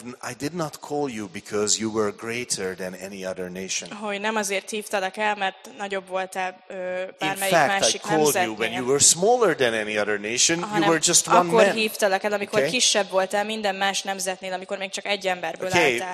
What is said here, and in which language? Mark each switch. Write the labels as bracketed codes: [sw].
[en] I did not call you because you were greater than any other nation. [hu] Hogy nem azért hívtadak el, mert nagyobb voltál bármelyik másik nemzetnél. [en] In fact, I called you when you were smaller than any other nation. You were just one man. [hu] Akkor hívtalak el, amikor kisebb voltál minden más nemzetnél, amikor még csak egy emberből álltál.